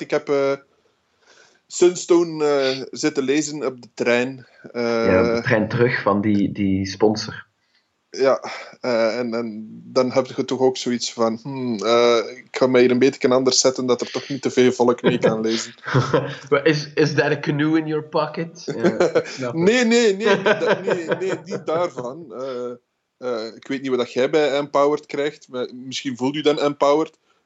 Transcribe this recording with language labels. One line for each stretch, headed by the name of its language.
Dutch: Ik heb Sunstone zitten lezen op de trein. De trein terug van die sponsor. Ja, en dan heb je toch ook zoiets van... ik ga mij hier een beetje anders zetten... dat er toch niet te veel volk mee kan lezen.
English: is that a canoe in your pocket?
Dutch: Nee, niet daarvan. Ik weet niet wat jij bij Empowered krijgt. Maar misschien voelt u dan Empowered.